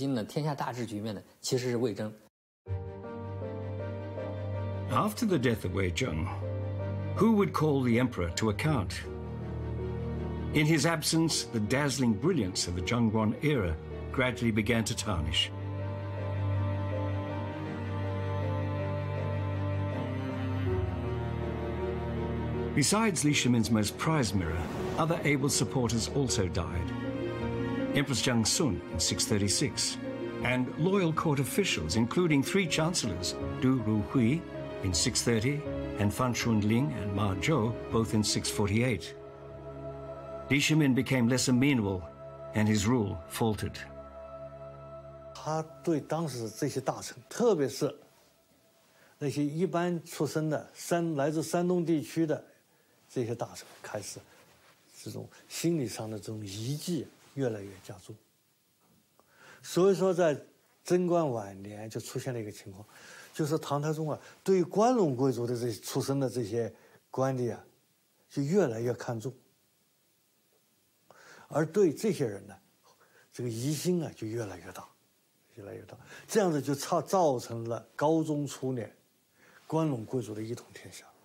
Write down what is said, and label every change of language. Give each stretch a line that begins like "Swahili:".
Chinese: 他是整个安贞观之治呢，他的总设计师，我们可以甚至可以这么说，唐太宗对这一点也是很清楚的。他曾经在很多这个场合就跟大臣就说，跟我一起打天下的最重要的功臣呢，可能是房玄龄和长孙无忌这样的人，但是跟我一起治理天下的，造成如今的天下大治局面的，其实是魏征。
English: After the death of Wei Zheng, who would call the emperor to account? In his absence, the dazzling brilliance of the Zhengguan era gradually began to tarnish. Besides Li Shimin's most prized mirror, other able supporters also died. Empress Jiang Sun in 636, and loyal court officials, including 3 chancellors, Du Ruhui, in 630, and Fan Shunling and Ma Zhou both in 648. Li Shimin became less amenable, and his rule faltered. He did not like these people, especially the people who were born from the Shandong region.
Chinese: 这些大臣开始这种心理上的这种疑忌越来越加重，所以说在贞观晚年就出现了一个情况，就是唐太宗啊对关陇贵族的这些出身的这些官吏啊就越来越看重，而对这些人呢这个疑心啊就越来越大越来越大，这样子就造成了高宗初年关陇贵族的一统天下。